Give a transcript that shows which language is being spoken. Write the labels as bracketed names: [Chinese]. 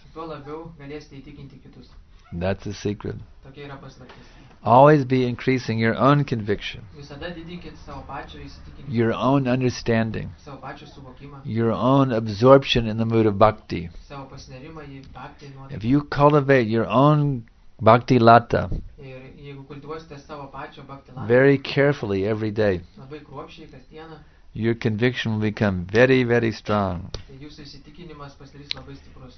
[Lithuanian] Tuo labiau galėsite įtikinti kitus. [English] That's the secret. [Lithuanian] Tokia yra paslaptis. [English] Always be increasing your own conviction, [Lithuanian] visada didinkit savo pačio įsitikinimą, [English] your own understanding, [Lithuanian] savo pačio suvokimą, [English] your own absorption in the mood of bhakti. [Lithuanian] Savo pasinerimą į bhakti nuotaiką. [English] If you cultivate your own bhakti lata, [Lithuanian] ir jeigu kultivuosite savo pačio bhakti lata, [English] very carefully every day, [Lithuanian] labai kruopščiai kasdieną, [English] your conviction will become very, very strong. [Lithuanian] Tai jūsų įsitikinimas pasidarys labai stiprus.